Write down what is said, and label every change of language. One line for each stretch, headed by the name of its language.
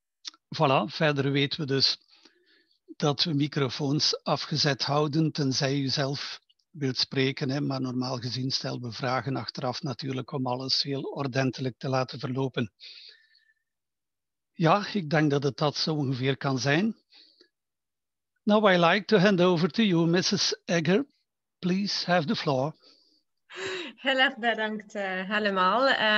Dutch: Voilà, verder weten we dus dat we microfoons afgezet houden, tenzij u zelf wilt spreken, hè, maar normaal gezien stellen we vragen achteraf natuurlijk om alles heel ordentelijk te laten verlopen. Ja, ik denk dat het dat zo ongeveer kan zijn.
English: Now I like to hand over to you, Mrs. Egger. Please have the floor.
Dutch: Heel erg bedankt, allemaal.